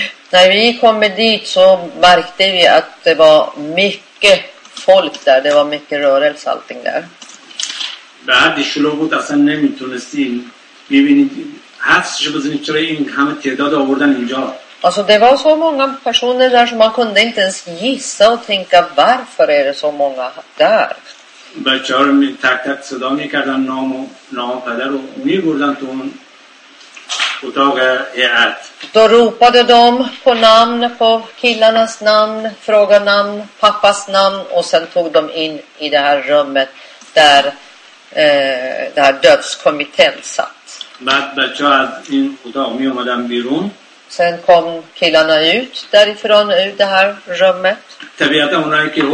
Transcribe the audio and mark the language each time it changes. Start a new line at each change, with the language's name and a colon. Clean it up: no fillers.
Swedish: När vi kom dit så märkte vi att det var mycket folk där, det var mycket rörelse allting där.
Persian: بعدش لو بود اصلا نمیتونستین ببینید هستش بزنید چرا این همه تعداد آوردن اینجا
Swedish: alltså det var så många personer där som man kunde inte ens gissa och tänka varför är det så många där.
Persian: بچه ها رو تک تک صدا میکردن نام و نام پدر رو میبردن تو اون اتاق هیئت.
Swedish: Då ropade de på namn, på killarnas namn, fråga namn, pappas namn och sen tog de in i det här rummet där det här dödskommittén satt.
Persian: بعد بچه ها از این اتاق می اومدن بیرون.
Swedish: Sen kom killarna ut därifrån ur det här rummet.